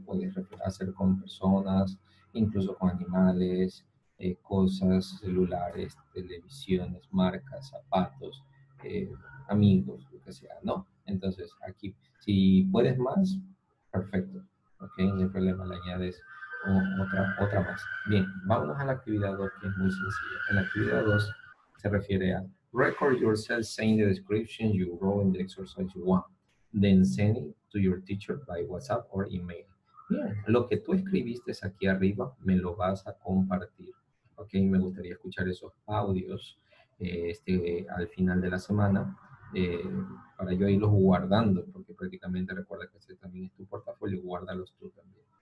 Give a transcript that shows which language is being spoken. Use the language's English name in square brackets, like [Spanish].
[Spanish] Puedes hacer con personas, incluso con animales, cosas, celulares, televisiones, marcas, zapatos, amigos, lo que sea, ¿no? Entonces, aquí, si puedes más, perfecto. Ok, no hay problema, le añades otra más. Bien, vámonos a la actividad 2, que es muy sencilla. En la actividad 2 se refiere a [English] record yourself saying the description you wrote in the exercise 1, then send it to your teacher by WhatsApp or email. [Spanish] Bien, lo que tú escribiste es aquí arriba, me lo vas a compartir. Ok, me gustaría escuchar esos audios al final de la semana para yo irlos guardando, porque prácticamente recuerda que ese también es tu portafolio, guárdalos tú también.